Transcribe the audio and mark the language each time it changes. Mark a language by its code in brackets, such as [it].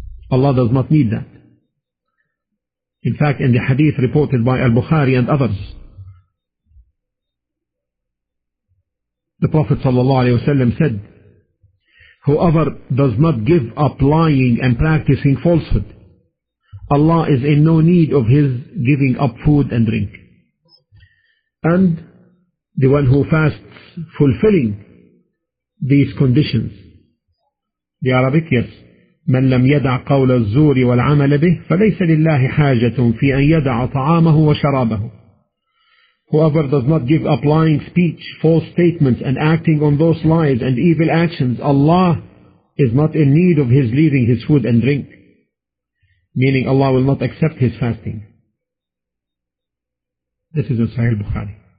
[en] Allah does not need that. In fact, in the hadith reported by Al-Bukhari and others, the Prophet ﷺ said, whoever does not give up lying and practicing falsehood, Allah is in no need of his giving up food and drink. And the one who fasts fulfilling these conditions, the Arabic, yes, [ar] من لم يدع قول الزور والعمل به فليس لله حاجة في أن يدع طعامه وشرابه. [en] Whoever does not give up lying speech, false statements and acting on those lies and evil actions, Allah is not in need of his leaving his food and drink. Meaning Allah will not accept his fasting. This is in Sahih al-Bukhari.